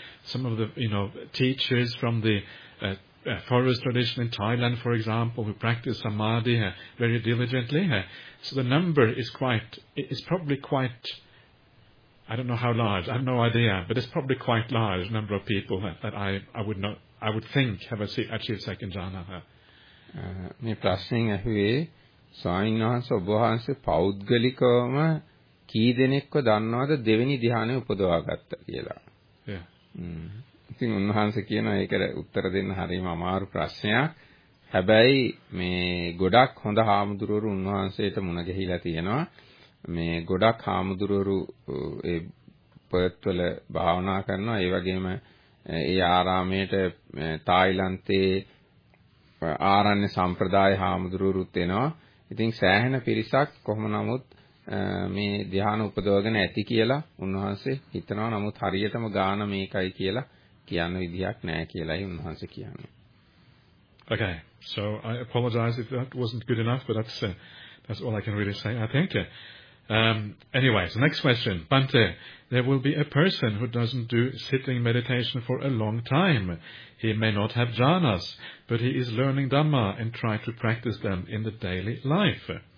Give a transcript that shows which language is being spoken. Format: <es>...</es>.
<en>Some of the teachers from the forest tradition in Thailand, for example, who practice samadhi very diligently. So the number is probably quite... I don't know how large. I have no idea, but it's probably quite large number of people that I would think have achieved second jhana.</en> <si>මේ ප්‍රශ්නෙ ඇහුවේ ස්වාමීන් වහන්සේ ඔබ වහන්සේ පෞද්ගලිකවම කී දෙනෙක්ව දන්නවද දෙවෙනි ධ්‍යානය උපදවාගත්ත කියලා. ඉතින් උන්වහන්සේ කියන එක උත්තර දෙන්න හරීම අමාරු ප්‍රශ්නයක්. හැබැයි මේ ගොඩක් හොඳ හාමුදුරුවරු උන්වහන්සේට මුණ ගැහිලා තියෙනවා. මේ ගොඩක් හාමුදුරුවරු ඒ පොයත්වල භාවනා කරනවා. ඒ වගේම ඒ ආරාමයට තායිලන්තයේ ආරණ්‍ය සම්ප්‍රදාය හාමුදුරුවරුත් එනවා. ඉතින් සෑහෙන පිරිසක් කොහොම නමුත් මේ ධ්‍යාන උපදවගෙන ඇති කියලා උන්වහන්සේ හිතනවා. නමුත් හරියටම ගාන මේකයි කියලා කියන්න විදිහක් නැහැ කියලායි උන්වහන්සේ කියන්නේ.</si> <en>Okay, so I apologize if that wasn't good enough, but that's all I can really say, I think. Anyway, so next question. Bhante, there will be a person who doesn't do sitting meditation for a long time. He may not have jhanas, but he is learning Dhamma and try to practice them in the daily life.</en>